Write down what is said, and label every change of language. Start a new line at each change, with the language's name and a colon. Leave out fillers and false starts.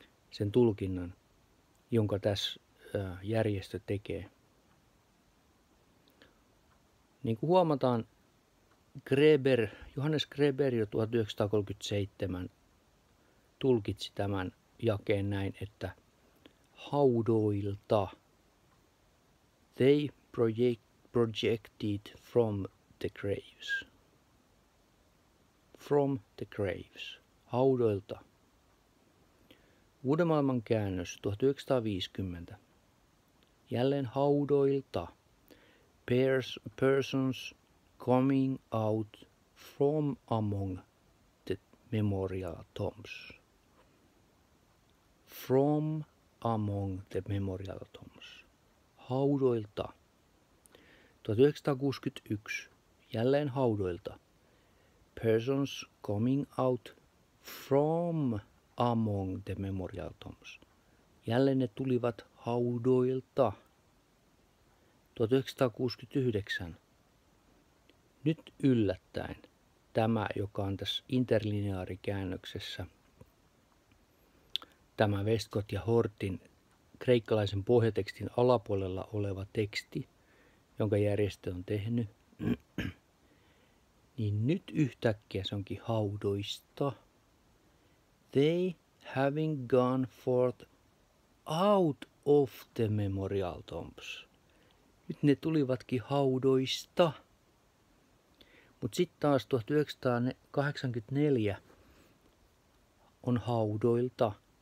Finnish: Sen tulkinnan, jonka tässä järjestö tekee. Niin kuin huomataan, Johannes Greber jo 1937 tulkitsi tämän jakeen näin, että haudoilta.
English: They projected from the graves. From the graves.
Finnish: Haudoilta. Uuden maailman käännös 1950. Jälleen haudoilta.
English: Persons coming out from among the memorial tombs. From among the memorial tombs.
Finnish: Haudoilta.
English: 1961.
Finnish: Jälleen haudoilta.
English: Persons coming out from among the memorial tombs.
Finnish: Jälleen ne tulivat haudoilta. 1969. Nyt yllättäen tämä, joka on tässä interlineaarikäännöksessä, tämä Westcott ja Hortin kreikkalaisen pohjatekstin alapuolella oleva teksti, jonka järjestö on tehnyt, niin nyt yhtäkkiä se onkin haudoista.
English: They having gone forth out of the memorial tombs.
Finnish: Nyt ne tulivatkin haudoista. Mutta sitten taas 1984 on haudoilta.